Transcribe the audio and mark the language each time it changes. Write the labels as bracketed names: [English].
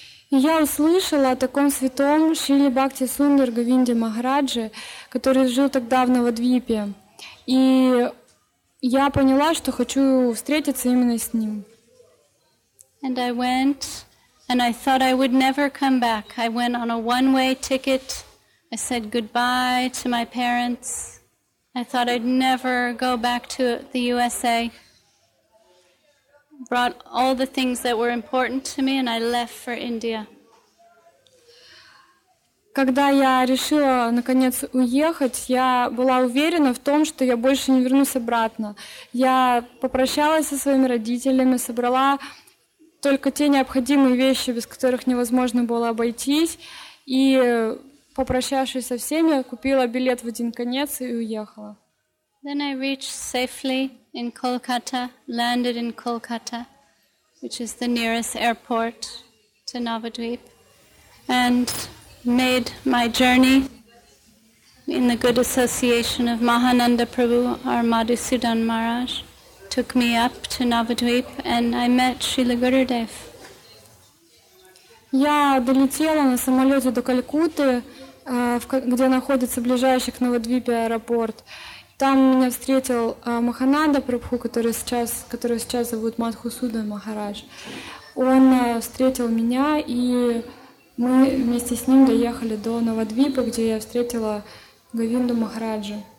[Russian] Я услышала о таком святом Шриле Бхакти Сундар Говинде Махараджи, который жил тогда в Навадвипе. И я поняла, что хочу встретиться именно с ним. [English] And I went, and I thought I would never come back. I went on a one-way ticket. I said goodbye to my parents. I thought I'd never go back to the USA. Brought all the things that were important to me, and I left for India. [Russian] Когда я решила наконец уехать, я была уверена в том, что я больше не вернусь обратно. Я попрощалась со своими родителями, собрала только те необходимые вещи, без которых невозможно было обойтись, и попрощавшись со всеми, купила билет в один конец и уехала. [English] Then I reached safely in Kolkata, landed in Kolkata, which is the nearest airport to Navadvip, and made my journey in the good association of Mahananda Prabhu, our Madhusudan Maharaj, took me up to Navadvip, and I met Srila Gurudev. [Russian] Я долетела на самолете до Калькутты, где находится ближайший к Навадвипе аэропорт. Там меня встретил Махананда Прабху, которого сейчас зовут Мадхусудан Махарадж. Он встретил меня, и мы вместе с ним доехали до Навадвипа, где я встретила Говинду Махараджа.